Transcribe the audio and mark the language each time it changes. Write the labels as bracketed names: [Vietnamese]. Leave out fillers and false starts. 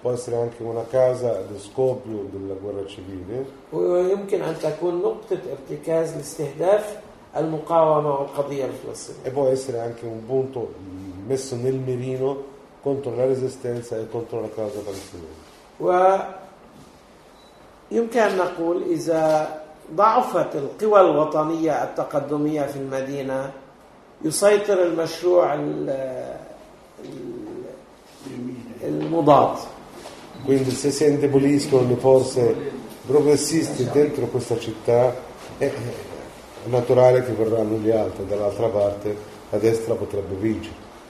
[Italian] può essere anche una causa di scoppio della guerra civile. [Arabic] ويمكن أن تكون نقطة ارتكاز لاستهداف المقاومة والقضية الفلسطينية. [Italian] e può essere anche un punto messo nel mirino contro la resistenza e contro la causa palestinese. [Arabic] ويمكن أن نقول إذا ضعفت القوى الوطنية التقدمية في المدينة يسيطر المشروع المضاد. [Italian] quindi se si indeboliscono le forze progressiste dentro questa città è naturale che verranno gli altri dall'altra parte, la destra potrebbe vincere.